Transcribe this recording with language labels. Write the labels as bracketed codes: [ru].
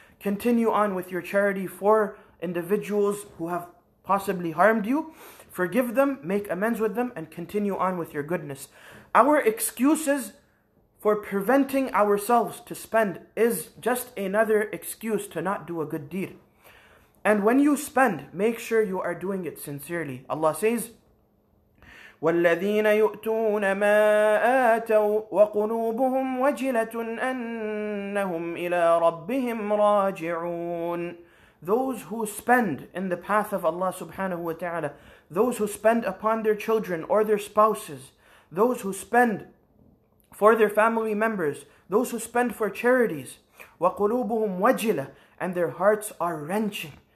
[en] Continue on with your charity for individuals who have possibly harmed you. Forgive them, make amends with them, and continue on with your goodness. Our excuses for preventing ourselves to spend is just another excuse to not do a good deed. And when you spend, make sure you are doing it sincerely. Allah says, [ar] وَالَّذِينَ يُؤْتُونَ مَا آتَوا وَقُلُوبُهُمْ وَجِلَةٌ أَنَّهُمْ إِلَىٰ رَبِّهِمْ رَاجِعُونَ. [en] Those who spend in the path of Allah subhanahu wa ta'ala, those who spend upon their children or their spouses, those who spend for their family members, those who spend for charities. [ar] وَقُلُوبُهُمْ وَجِلَةً, [en] and their hearts are wrenching.